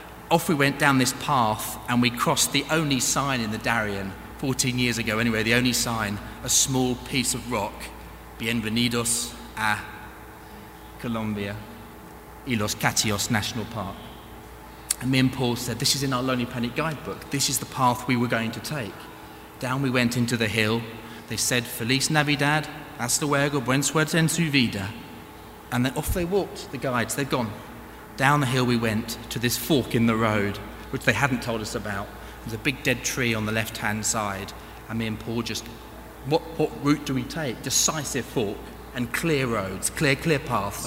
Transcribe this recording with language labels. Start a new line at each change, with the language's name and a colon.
English: Off we went down this path, and we crossed the only sign in the Darien, 14 years ago anyway, the only sign, a small piece of rock.
Spanish: Bienvenidos a Colombia y Los Catios National Park.
English: And me and Paul said, this is in our Lonely Planet guidebook. This is the path we were going to take. Down we went into the hill. They said,
Spanish: Feliz Navidad, hasta luego, buen suerte en su vida.
English: And then off they walked, the guides, they'd gone. Down the hill we went to this fork in the road, which they hadn't told us about. There's a big dead tree on the left-hand side. And me and Paul just, what route do we take? Decisive fork and clear roads, clear paths.